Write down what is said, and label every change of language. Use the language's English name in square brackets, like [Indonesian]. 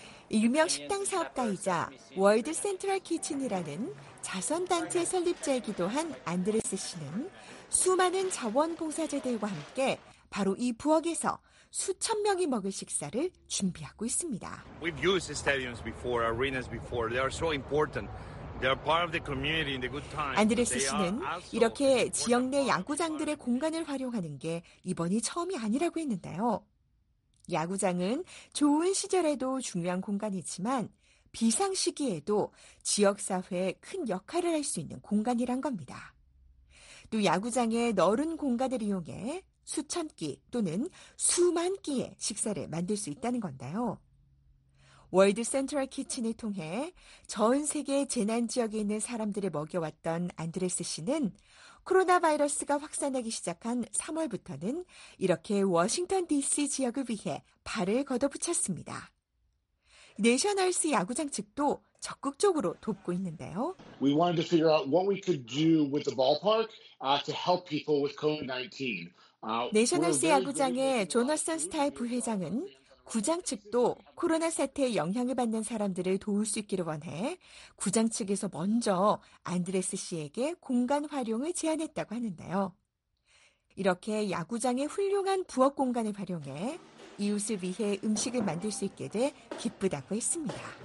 [Korean] 유명 식당 사업가이자 월드 센트럴 키친이라는 자선단체 설립자이기도 한 안드레스 씨는 수많은 자원봉사자들과 함께 바로 이 부엌에서 수천 명이 먹을 식사를 준비하고 있습니다. [English] We've used stadiums before, arenas before. They are so important. They are part of the community in the good time. [Korean] 안드레스 씨는 이렇게 지역 내 야구장들의 공간을 활용하는 게 이번이 처음이 아니라고 했는데요. 야구장은 좋은 시절에도 중요한 공간이지만 비상시기에도 지역사회에 큰 역할을 할 수 있는 공간이란 겁니다. 또 야구장의 너른 공간을 이용해 수천 끼 또는 수만 끼의 식사를 만들 수 있다는 건데요. 월드 센트럴 키친을 통해 전 세계 재난지역에 있는 사람들을 먹여왔던 안드레스 씨는 코로나 바이러스가 확산하기 시작한 3월부터는 이렇게 워싱턴 DC 지역을 위해 발을 걷어붙였습니다. 내셔널스 야구장 측도 적극적으로 돕고 있는데요. [English] We wanted to figure out what we could do with the ballpark to help people with COVID-19. [Korean] 내셔널스 야구장의 조너슨 스타의 부회장은 구장 측도 코로나 사태에 영향을 받는 사람들을 도울 수 있기를 원해 구장 측에서 먼저 안드레스 씨에게 공간 활용을 제안했다고 하는데요. 이렇게 야구장의 훌륭한 부엌 공간을 활용해 이웃을 위해 음식을 만들 수 있게 돼 기쁘다고 했습니다.